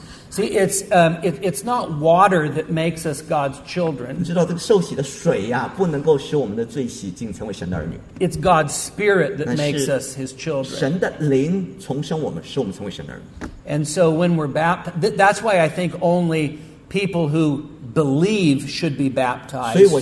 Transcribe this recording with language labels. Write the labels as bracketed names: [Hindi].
[English] See, it's not water that makes us God's children. [Chinese] 你知道这个受洗的水呀，不能够使我们的罪洗净，成为神的儿女. [English] It's God's Spirit that makes us His children. [Chinese] 神的灵重生我们，使我们成为神的儿女. [English] And so when we're baptized, that's why I think only people who believe should be baptized.